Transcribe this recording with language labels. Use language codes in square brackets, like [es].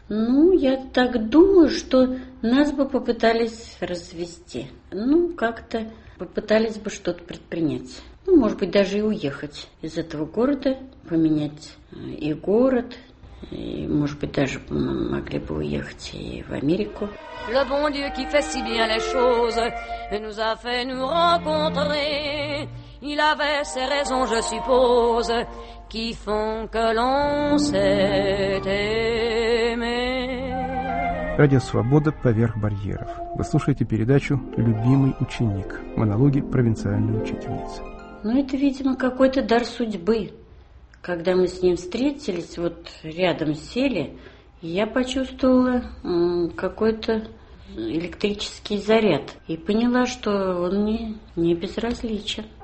[ru] Ну, я так думаю, что нас бы попытались развести. Ну, как-то попытались бы что-то предпринять. Ну, может быть, даже и уехать из этого города, поменять и город. И, может быть, даже мы могли бы уехать и в Америку. [fr] Le bon Dieu qui fait si bien les choses nous a fait nous rencontrer. Il avait ses raisons, je suppose, qui font que l'on s'est aimé. [ru] Радио «Свобода поверх барьеров». Вы слушаете передачу «Любимый ученик». Монологи провинциальной учительницы. Ну, это, видимо, какой-то дар судьбы. Когда мы с ним встретились, вот рядом сели, я почувствовала какой-то электрический заряд и поняла, что он мне не безразличен.